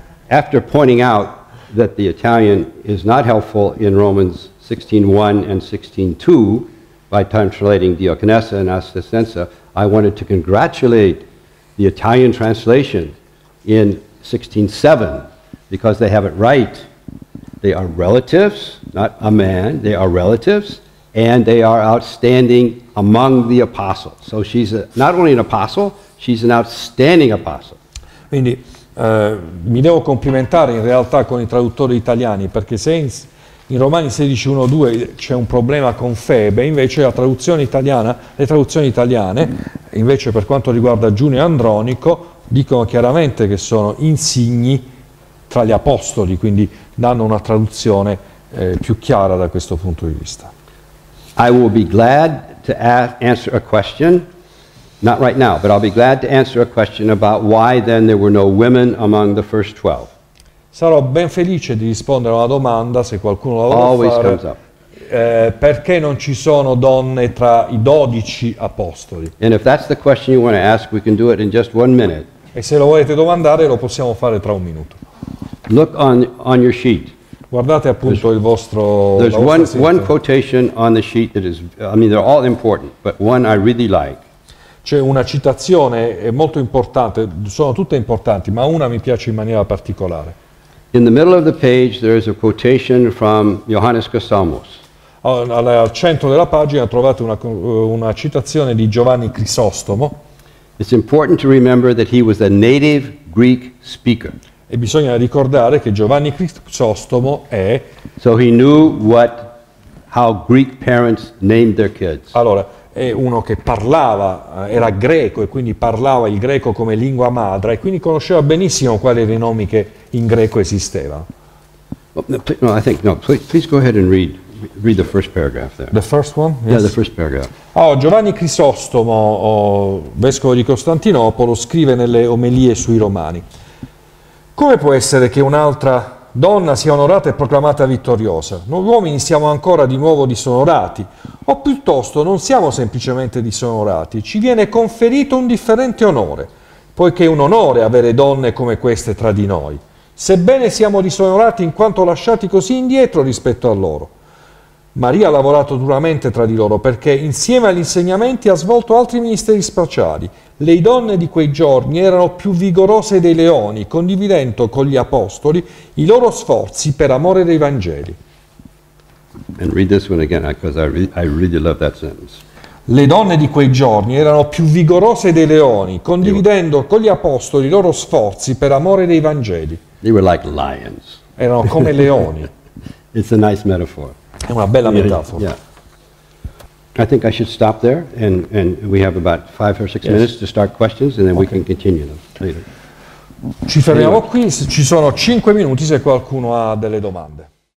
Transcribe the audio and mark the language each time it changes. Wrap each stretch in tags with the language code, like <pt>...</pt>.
<en>After pointing out that the Italian is not helpful in Romans 16:1 and 16:2, by translating Diaconessa and Assistenza, I wanted to congratulate the Italian translation in 16:7, because they have it right. They are relatives, not a man, they are relatives, and they are outstanding among the apostles. So she's not only an apostle, she's an outstanding apostle.</en> <it>Quindi mi devo complimentare in realtà con i traduttori italiani, perché se in Romani 16:1-2 c'è un problema con Febe, invece la traduzione italiana, le traduzioni italiane, invece per quanto riguarda Giunio e Andronico, dicono chiaramente che sono insigni tra gli apostoli, quindi danno una traduzione più chiara da questo punto di vista.</it> <en>I will be glad to answer a question, not right now, but I'll be glad to answer a question about why then there were no women among the first 12.</en> <it>Sarò ben felice di rispondere a una domanda, se qualcuno la vuole fare, perché non ci sono donne tra i 12 apostoli?</it> <en>And if that's the question you want to ask, we can do it in just one minute.</en> <it>E se lo volete domandare, lo possiamo fare tra un minuto.</it> <en>Look on your sheet.</en> <it>Guardate appunto</it> <en>there's,</en> <it>il vostro.</it> <en>There's one quotation on the sheet that is, I mean, they're all important, but one I really like.</en> <it>C'è una citazione molto importante, sono tutte importanti, ma una mi piace in maniera particolare.</it> <en>In the middle of the page there is a quotation from Johannes Chrysostomus.</en> <it>Al centro della pagina trovate una citazione di Giovanni Crisostomo.</it> <en>It's important to remember that he was a native Greek speaker.</en> <it>E bisogna ricordare che Giovanni Crisostomo è.</it> <en>So he knew how Greek parents named their kids.</en> <it>Allora, è uno che parlava, era greco e quindi parlava il greco come lingua madre e quindi conosceva benissimo quali erano i nomi che in greco esistevano.</it> <en>Please go ahead and read the first paragraph there. The first one? Yes. Yeah, the first paragraph.</en> <it>Oh, Giovanni Crisostomo, vescovo di Costantinopolo, scrive nelle omelie sui Romani. Come può essere che un'altra donna sia onorata e proclamata vittoriosa? Noi uomini siamo ancora di nuovo disonorati, o piuttosto non siamo semplicemente disonorati, ci viene conferito un differente onore, poiché è un onore avere donne come queste tra di noi, sebbene siamo disonorati in quanto lasciati così indietro rispetto a loro. Maria ha lavorato duramente tra di loro perché insieme agli insegnamenti ha svolto altri ministeri speciali. Le donne di quei giorni erano più vigorose dei leoni, condividendo con gli apostoli i loro sforzi per amore dei Vangeli.</it> <en>And read this one again, because I really love that sentence.</en> <it>Le donne di quei giorni erano più vigorose dei leoni, condividendo con gli apostoli i loro sforzi per amore dei Vangeli.</it> <en>They were like lions.</en> <it>Erano come leoni.</it> <en>It's a nice metaphor.</en> <it>È una bella metafora.</it> <en>Yeah. I think I should stop there and we have about 5 or 6 yes. minutes to start questions and then okay. we can continue them later.</en> <it>Ci fermiamo qui, ci sono 5 minuti se qualcuno ha delle domande.</it>